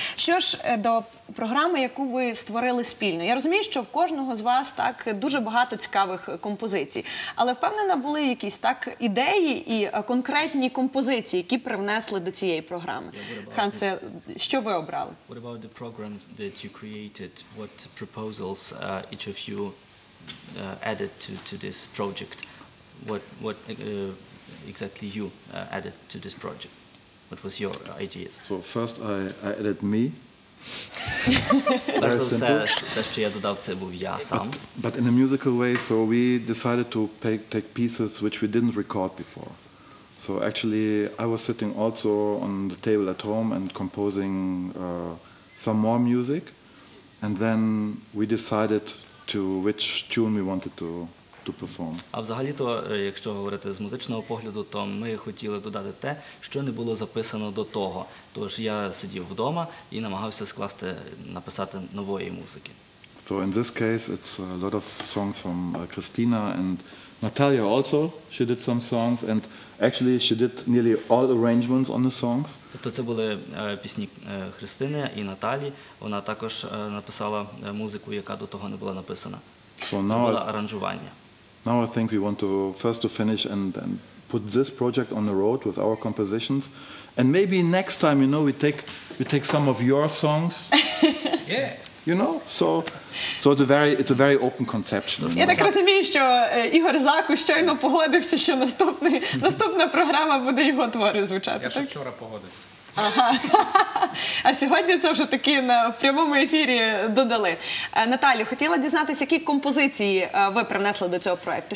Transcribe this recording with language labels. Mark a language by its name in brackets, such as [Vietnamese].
[Ukrainian] Що ж до програми, яку ви створили спільно? Я розумію, що в кожного з вас так дуже багато цікавих композицій, але впевнена, були якісь так ідеї і конкретні композиції, які привнесли до цієї програми. Хансе, що ви обрали? [English] What about the program that you created? What proposals each of you added to this project? What exactly you added to this project? What was your ideas? So first I added me. Very simple. [Ukrainian] Те, що я додав, це був я сам. [English] But in a musical way, so we decided to take pieces which we didn't record before. So actually I was sitting also on the table at home and composing some more music, and then we decided to which tune we wanted to perform. [Ukrainian] А взагалі-то, якщо говорити з музичного погляду, то ми хотіли додати те, що не було записано до того. Тож я сидів вдома і намагався скласти, написати нової музики. [English] So in this case it's a lot of songs from Christina and Natalia also. She did some songs and actually she did nearly all arrangements on the songs. [Ukrainian] Тобто це були пісні Христини і Наталі. Вона також написала музику, яка до того не була написана. [English] So now [Ukrainian] це було аранжування. [English] Now I think we want to first to finish and put this project on the road with our compositions. And maybe next time, you know, we take some of your songs. Yeah. You know, so it's a very open conception. [Ukrainian] Я так розумію, що Ігор Заку щойно погодився, що наступна програма буде його твори звучати. Я ще вчора погодився. Ага. А сьогодні це вже таки в прямому ефірі додали. Наталі, хотіла дізнатися, які композиції ви привнесли до цього проекту?